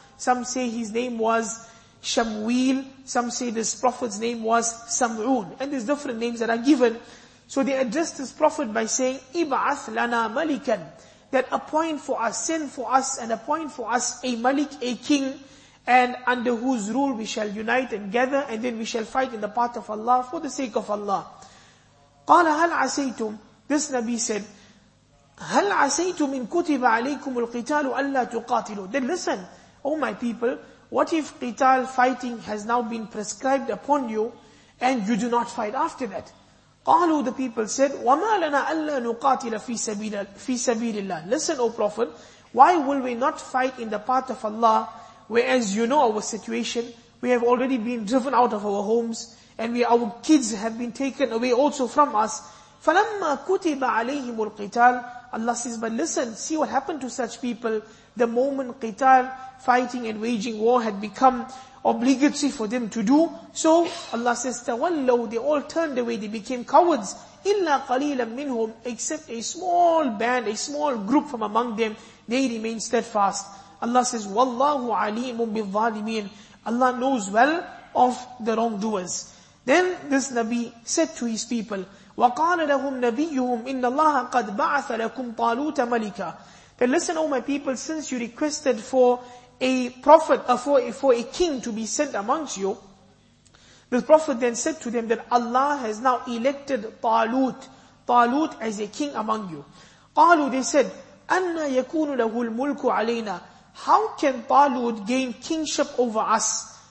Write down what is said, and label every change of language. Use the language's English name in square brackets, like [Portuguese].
[English] Some say his name was Shamwil, some say this prophet's name was Sam'un, and there's different names that are given. So they addressed this prophet by saying, [Arabic] Ib'ath lana malikan, [English] that appoint for us, send for us and appoint for us a malik, a king, and under whose rule we shall unite and gather, and then we shall fight in the path of Allah for the sake of Allah. [Arabic] Qala hal asaytum, [English] this Nabi said, [Arabic] هَلْ عَسَيْتُ مِنْ كُتِبَ عَلَيْكُمُ الْقِتَالُ أَلَّا تُقَاتِلُوا. [English] Then listen, oh my people, what if qital, fighting, has now been prescribed upon you and you do not fight after that? [Arabic] قَالُوا, [English] the people said, [Arabic] وَمَا لَنَا أَلَّا نُقَاتِلَ فِي سَبِيلِ اللَّهِ. [English] Listen, oh Prophet, why will we not fight in the path of Allah, whereas you know our situation, we have already been driven out of our homes and our kids have been taken away also from us. [Arabic] فَلَمَّا كُتِبَ عَلَيْهِمُ الْقِتَالُ, [English] Allah says, but listen, see what happened to such people. The moment qital, fighting and waging war, had become obligatory for them to do. So Allah says, [Arabic] تَوَلَّوْا, [English] they all turned away, they became cowards. [Arabic] إِلَّا قَلِيلًا مِّنْهُمْ, [English] except a small band, a small group from among them, they remained steadfast. Allah says, [Arabic] وَاللَّهُ عَلِيمٌ بِالظَّالِمِينَ, [English] Allah knows well of the wrongdoers. Then this Nabi said to his people, [Arabic] وَقَالَ لَهُمْ نَبِيُّهُمْ إِنَّ اللَّهَ قَدْ بَعَثَ لَكُمْ طَالُوتَ مَلِكًا. [English] Then listen, O my people, since you requested for a prophet, for a king to be sent amongst you, the prophet then said to them that Allah has now elected Talut as a king among you. [Arabic] قَالُوا, [English] they said, [Arabic] أَنَّ يَكُونُ لَهُ الْمُلْكُ عَلَيْنَا, [English] how can Talut gain kingship over us?